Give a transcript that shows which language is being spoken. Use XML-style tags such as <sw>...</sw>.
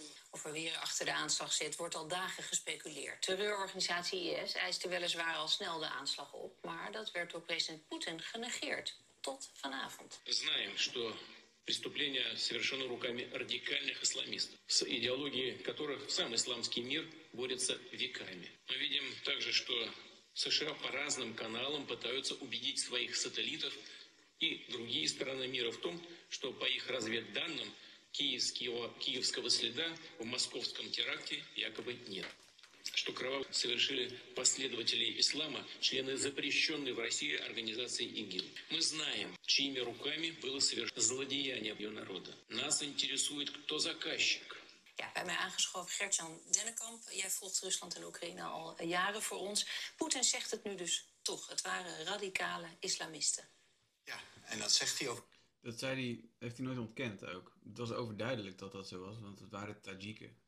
<nl>Of er weer achter de aanslag zit, wordt al dagen gespeculeerd. Terreurorganisatie IS eiste weliswaar al snel de aanslag op, maar dat werd door president Poetin genegeerd. Tot vanavond.</nl> <ru>We знаем, что преступления совершены руками радикальных исламистов, с идеологией которых сам исламский мир борется веками. Мы видим также, что США по разным каналам пытаются убедить своих сателлитов и другие страны мира в том, что по их разведданным киевского следа в московском теракте якобы нет. Что кровавый совершили последователи ислама, члены запрещенной в России организации ИГИЛ. Мы знаем, чьими руками было совершено злодеяние ее народа. Нас интересует, кто заказчик.</ru> <nl>Ja, bij mij aangeschoven Gert-Jan Dennekamp. Jij volgt Rusland en Oekraïne al jaren voor ons. Poetin zegt het nu dus toch. Het waren radicale islamisten. Ja, en dat zegt hij ook. Dat zei hij, heeft hij nooit ontkend ook. Het was overduidelijk dat dat zo was, want het waren Tajiken.</nl>